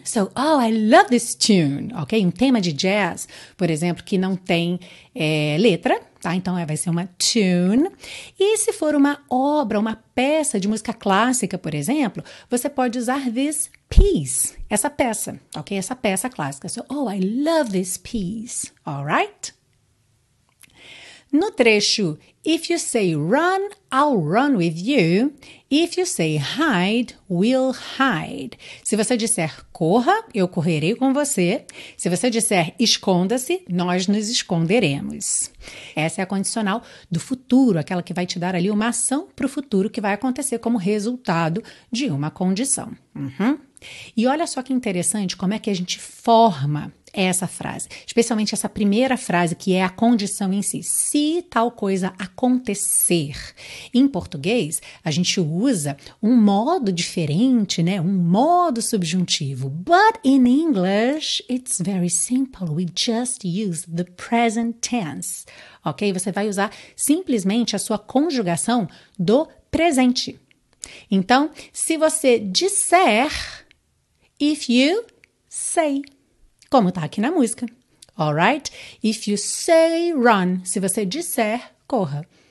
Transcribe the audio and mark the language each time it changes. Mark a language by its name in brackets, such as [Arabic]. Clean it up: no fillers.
[English] So, oh, I love this tune, ok? [Portuguese] Um tema de jazz, por exemplo, que não tem letra, tá? Então, vai ser uma tune. E se for uma obra, uma peça de música clássica, por exemplo, você pode usar [English] this piece, [Portuguese] essa peça, ok? Essa peça clássica. [English] So, oh, I love this piece, all right? [Portuguese] No trecho, [English] if you say run, I'll run with you. If you say hide, we'll hide. [Portuguese] Se você disser corra, eu correrei com você. Se você disser esconda-se, nós nos esconderemos. Essa é a condicional do futuro, aquela que vai te dar ali uma ação para o futuro que vai acontecer como resultado de uma condição. Uhum. E olha só que interessante como é que a gente forma essa frase, especialmente essa primeira frase que é a condição em si, se tal coisa acontecer. Em português, a gente usa um modo diferente, né? Um modo subjuntivo, [English] but in English, it's very simple, we just use the present tense, ok? [Portuguese] Você vai usar simplesmente a sua conjugação do presente. Então, se você disser, [English] if you say, [Portuguese] como tá aqui na música, alright? [English] If you say run, [Portuguese] se você disser, corra.